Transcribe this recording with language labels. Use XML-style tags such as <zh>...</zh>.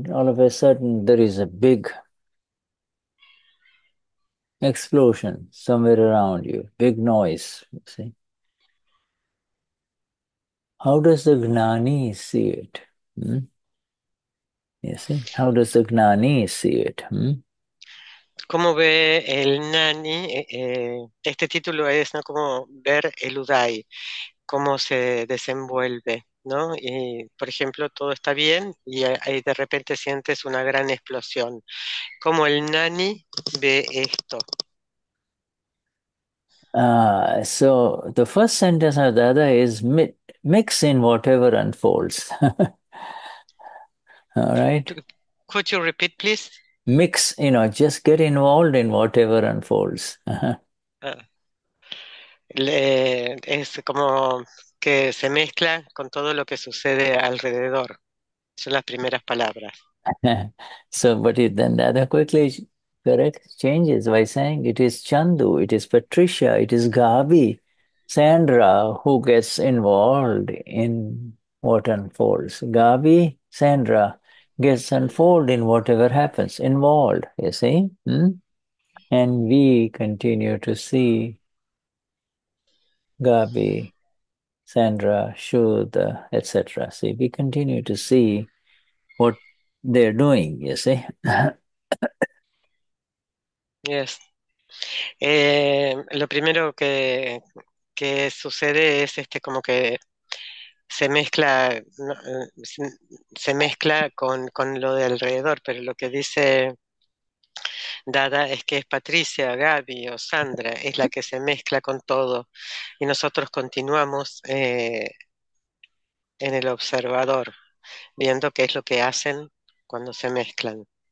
<en>All of a sudden, there is a big explosion somewhere around you, big noise, you see. How does the gnani see it? You see, how does the gnani see it?</en> <es>¿Cómo ve el Nani? Este título es, ¿no?, como ver el Uday, cómo se desenvuelve, ¿no? Y, por ejemplo, todo está bien y ahí de repente sientes una gran explosión. ¿Cómo el Nani ve esto?</es> <en>So the first sentence of Dada is mi mix in whatever unfolds. All right. Could you repeat, please? Mix, you know, just get involved in whatever unfolds.</en> <es>Es como que se mezcla con todo lo que sucede alrededor. Son las primeras palabras.</es> <en>So, but it, then Dada quickly correct changes by saying it is Chandu, it is Patricia, it is Gabi, Sandra who gets involved in what unfolds. Gabi, Sandra gets unfolded in whatever happens, involved, you see? And we continue to see Gabi, Sandra, Shuddha, etc. See, we continue to see what they're doing, you see? Yes.</en> <es>Lo primero que sucede es como que se mezcla, no, se mezcla con lo de alrededor, pero lo que dice Dada es que es Patricia, Gaby o Sandra, es la que se mezcla con todo y nosotros continuamos en el observador, viendo qué es lo que hacen cuando se mezclan.</es>